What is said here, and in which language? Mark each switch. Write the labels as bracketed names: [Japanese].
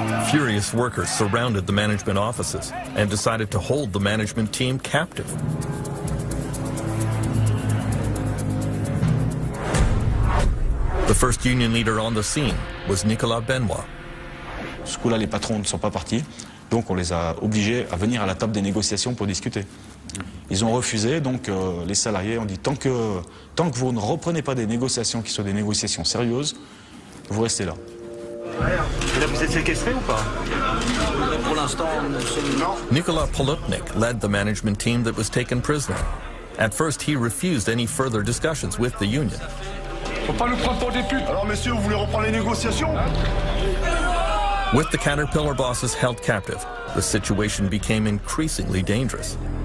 [English] Furious workers surrounded the management offices and decided to hold the management team captive. The first union leader on the scene was Nicolas Benoit. [French] Ce coup-là, les patrons ne sont pas partis, donc on les a obligés à venir à la table des négociations pour discuter. Ils ont refusé, donc les salariés ont dit tant que vous ne reprenez pas des négociations qui soient des négociations sérieuses, vous restez là. Et là, vous êtes séquestré ou pas? Pour l'instant, non. [English] Nicolas Polutnik led the management team that was taken prisoner. At first, he refused any further discussions with the union. [French] Faut pas nous prendre pour des putes. Alors, messieurs, vous voulez reprendre les négociations? [English] With the Caterpillar bosses held captive, the situation became increasingly dangerous.